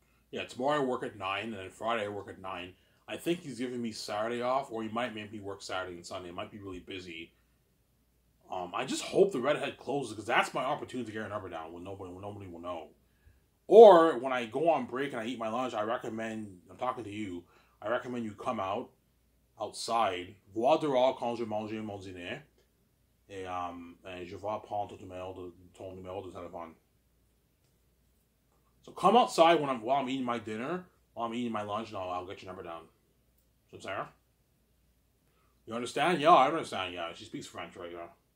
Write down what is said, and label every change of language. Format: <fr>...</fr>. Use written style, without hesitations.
<en>Yeah, tomorrow I work at 9, and then Friday I work at 9. I think he's giving me Saturday off, or he might make me work Saturday and Sunday. It might be really busy. I just hope the Redhead closes, because that's my opportunity to get an number down when nobody will know. Or, when I go on break and I eat my lunch, I recommend you come out, outside.</en> <fr>Voir dehors quand je mange mon dîner. Et je vais prendre ton numéro de téléphone.</fr> <en>So come outside while I'm eating my dinner, while I'm eating my lunch, and I'll get your number down. So Sarah, you understand? Yeah, I understand. Yeah, she speaks French, right? Yeah.</en>